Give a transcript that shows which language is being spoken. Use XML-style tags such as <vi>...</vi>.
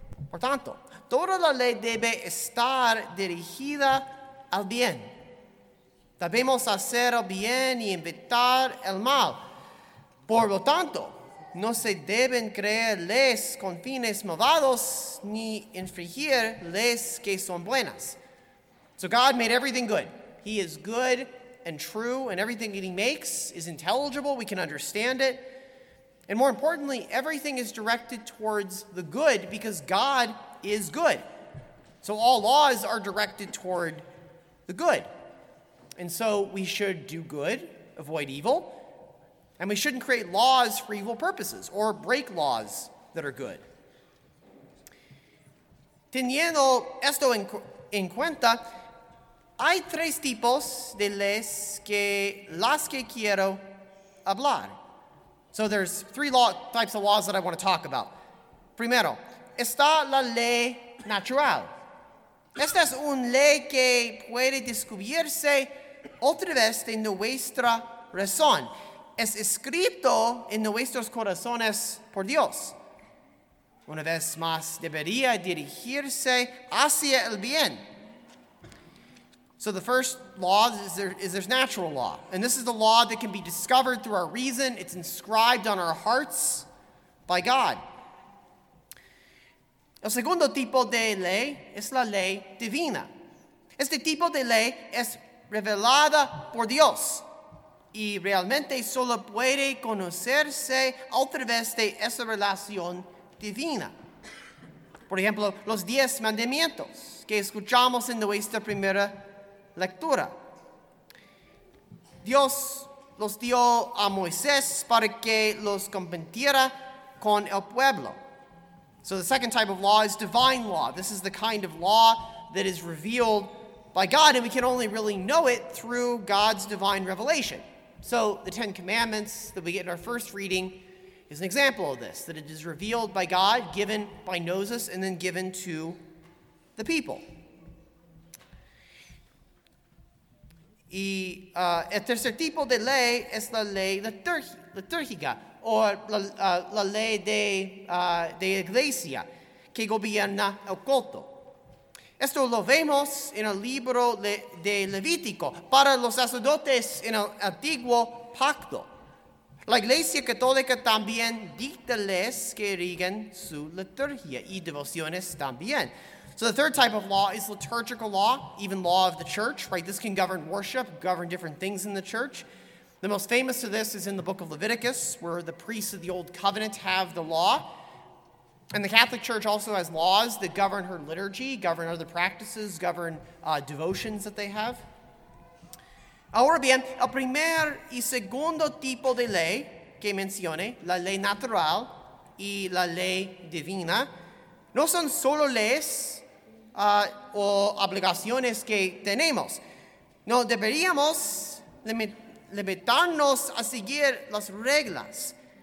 <es>Por tanto, toda la ley debe estar dirigida al bien. Debemos hacer el bien y evitar el mal. Por lo tanto, no se deben creer leyes con fines malvados ni infringir leyes que son buenas.</es> <en>So God made everything good. He is good and true, and everything that he makes is intelligible. We can understand it. And more importantly, everything is directed towards the good because God is good. So all laws are directed toward the good. And so we should do good, avoid evil, and we shouldn't create laws for evil purposes or break laws that are good.</en> <es>Teniendo esto en cuenta, hay tres tipos de leyes que las que quiero hablar.</es> <en>So there's three types of laws that I want to talk about.</en> <es>Primero, está la ley natural. Esta es una ley que puede descubrirse otra vez de nuestra razón. Es escrito en nuestros corazones por Dios. Una vez más, debería dirigirse hacia el bien.</es> <en>So the first law is there's natural law. And this is the law that can be discovered through our reason. It's inscribed on our hearts by God.</en> <es>El segundo tipo de ley es la ley divina. Este tipo de ley es revelada por Dios. Y realmente solo puede conocerse a través de esa relación divina. Por ejemplo, los 10 mandamientos que escuchamos en nuestra primera lectura. Dios los dio a Moisés para que los compartiera con el pueblo.</es> <en>So the second type of law is divine law. This is the kind of law that is revealed by God, and we can only really know it through God's divine revelation. So the Ten Commandments that we get in our first reading is an example of this, that it is revealed by God, given by Moses, and then given to the people.</en> <es>Y el tercer tipo de ley es la ley litúrgica, o la ley de iglesia, que gobierna el culto. Esto lo vemos en el libro de Levítico, para los sacerdotes en el antiguo pacto. La iglesia católica también dicta leyes que rigen su liturgia y devociones también.</es> <en>So the third type of law is liturgical law, even law of the church, right? This can govern worship, govern different things in the church. The most famous of this is in the book of Leviticus, where the priests of the old covenant have the law. And the Catholic Church also has laws that govern her liturgy, govern other practices, govern devotions that they have.</en> <es>Ahora bien, el primer y segundo tipo de ley que mencioné, la ley natural y la ley divina, no son solo leyes o obligaciones que tenemos. No deberíamos limitarnos a seguir las reglas.</es>